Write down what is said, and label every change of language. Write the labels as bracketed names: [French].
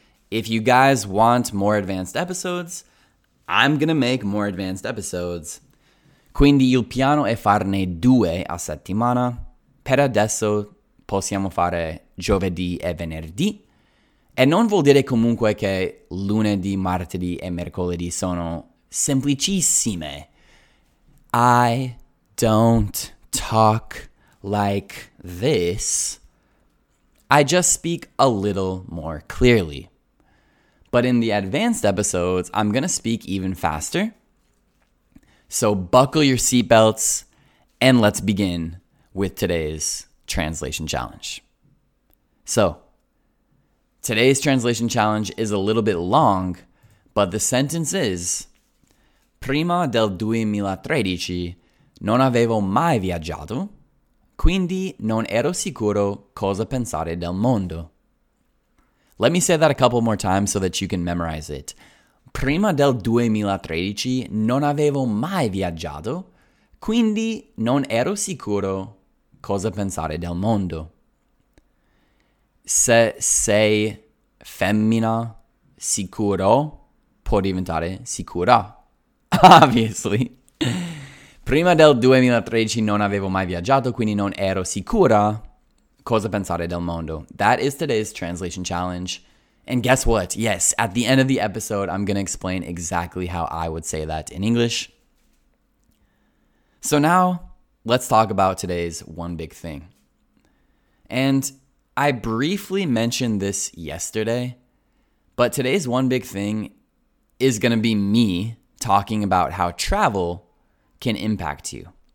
[English] If you guys want more advanced episodes, I'm gonna make more advanced episodes. [Italian] Quindi il piano è farne due a settimana. Per adesso possiamo fare giovedì e venerdì. E non vuol dire comunque che lunedì, martedì e mercoledì sono semplicissime. [English] I don't talk like this. I just speak a little more clearly. But in the advanced episodes, I'm gonna speak even faster. So buckle your seatbelts and let's begin with today's translation challenge. So, today's translation challenge is a little bit long, but the sentence is: [Italian] prima del 2013 non avevo mai viaggiato, quindi non ero sicuro cosa pensare del mondo. [English] Let me say that a couple more times so that you can memorize it. [Italian] Prima del 2013 non avevo mai viaggiato, quindi non ero sicuro cosa pensare del mondo. Se sei femmina, sicuro può diventare sicura. [English] Obviously. [Italian] Prima del 2013 non avevo mai viaggiato, quindi non ero sicura cosa pensare del mondo. [English] That is today's translation challenge. And guess what? Yes, at the end of the episode, I'm going to explain exactly how I would say that in English. So now, let's talk about today's one big thing. And I briefly mentioned this yesterday, but today's one big thing is going to be me talking about how travel can impact you.